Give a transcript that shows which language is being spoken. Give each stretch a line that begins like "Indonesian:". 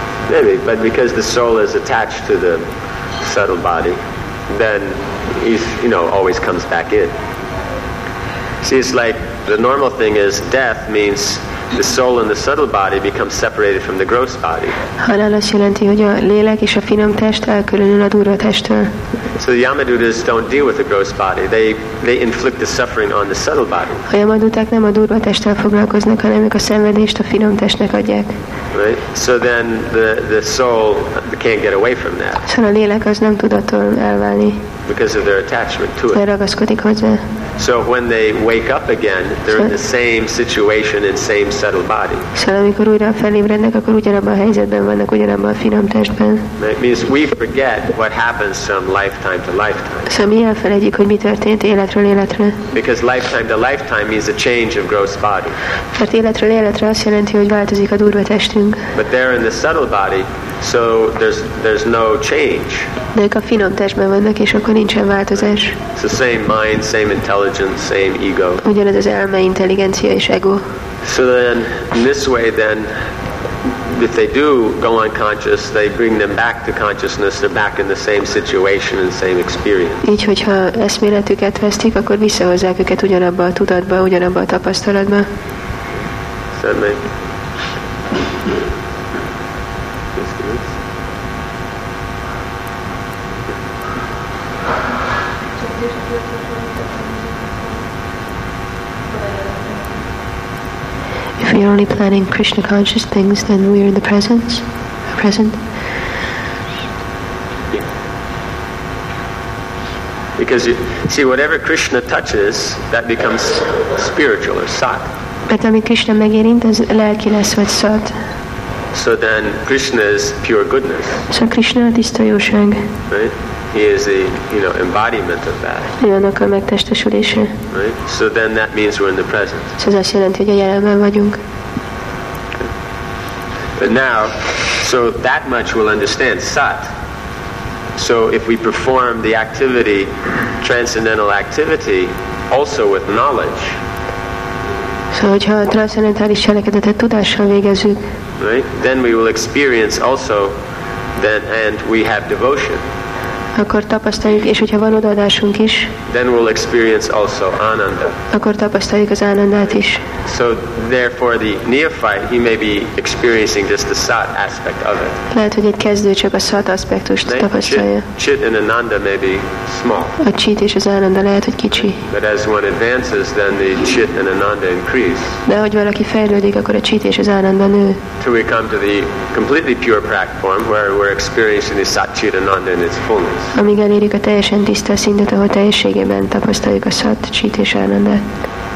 English: Maybe, but because the soul is attached to the subtle body, then he's, you know, always comes back in. See, it's like the normal thing is death means the soul and the subtle body become separated from the gross body.
Hungarian: Halál azt jelenti, hogy a lélek és a finom test elkülönül a durva testtől.
English: So the Yamadutas don't deal with the gross body. They inflict the suffering on the subtle body.
Hungarian: A Yamaduták nem a durva testtel foglalkoznak, hanem ők a szenvedést a finom testnek adják.
English: Right? So then the soul can't get away from that.
Hungarian: Szóval a lélek az nem tud attól elválni.
English: Because of their attachment to it.
Hungarian: Mert ragaszkodik hozzá.
English: So when they wake up again, they're in the same situation and same subtle body.
Hungarian: Szóval amikor újra felébrednek, akkor ugyanabban a helyzetben vannak, ugyanabban a finom testben.
English: It means we forget what happens from lifetime to lifetime.
Hungarian: Szóval mi elfelejtjük, hogy mi történt életről életre.
English: Because lifetime to lifetime means a change of gross body.
Hungarian: Mert életről életre azt jelenti, hogy változik a durva testünk.
English: But they're in the subtle body, so there's no change.
Hungarian: De ők a finom testben vannak, és akkor nincsen változás.
English: It's the same mind, same intelligence, same ego.
Hungarian: Ugyanaz az elme, intelligencia és ego.
English: So then, in this way then, if they do go unconscious, they bring them back to consciousness, they're back in the same situation and same experience.
Hungarian: Így, hogyha eszméletüket vesztik, akkor visszahozzák őket ugyanabba a tudatba, ugyanabba a tapasztalatba. Szerintem.
English: You're only planning Krishna conscious things, then we are in the presence. Present. Because you see, whatever Krishna touches, that becomes spiritual or sat.
Hungarian: But ami Krishna megérint, az lelki lesz vagy sat.
English: So then Krishna is pure goodness.
Hungarian: So Krishna a tiszta jóság.
English: Right? He is the, you know, embodiment of that.
Hungarian: Ő annak a megtestesülése.
English: Right? So then that means we're in the present.
Hungarian: So ez azt jelenti, hogy a jelenben vagyunk.
English: But now, so that much we'll understand, sat. So if we perform the activity, transcendental activity, also with knowledge.
Hungarian: So hogyha a transzendentális cselekedetet tudással végezzük.
English: Right? Then we will experience also, then, and we have devotion.
Hungarian: Akkor tapasztaljuk, és hogyha van odaadásunk is.
English: Then we'll experience also ananda.
Hungarian: Akkor tapasztaljuk az ánandát is.
English: So therefore the neophyte, he may be experiencing just the sat aspect of it.
Hungarian: Lehet, hogy egy kezdő csak a sat aspektust tapasztalja.
English: Chit and ananda may be small.
Hungarian: A chit és az ananda lehet, hogy kicsi.
English: But as one advances, then the chit and ananda increase.
Hungarian: De ahogy valaki fejlődik, akkor a chit és az ananda nő.
English: Till we come to the completely pure platform where we're experiencing the sat chit ananda in its fullness.
Hungarian: Amíg elérjük a teljesen tiszta szintet, ahol teljességében tapasztaljuk a sat chit és ánandát.